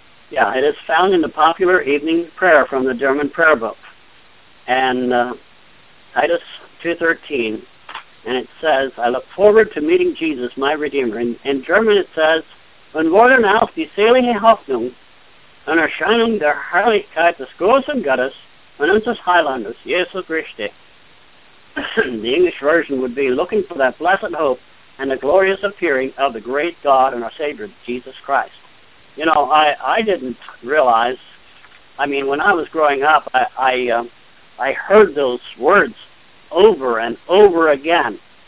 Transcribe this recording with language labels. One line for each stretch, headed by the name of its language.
English: It is found in the popular evening prayer from the German prayer book, and Titus 2:13, and it says, "I look forward to meeting Jesus, my Redeemer."
German: In German, it says, "Wenn morgen auf die selige Hoffnung und Erscheinung der Herrlichkeit des großen Gottes und unseres Heilandes Jesu Christi."
English: The English version would be, "Looking for that blessed hope and the glorious appearing of the great God and our Savior, Jesus Christ." You know, I didn't realize, I mean, when I was growing up, I heard those words over and over again.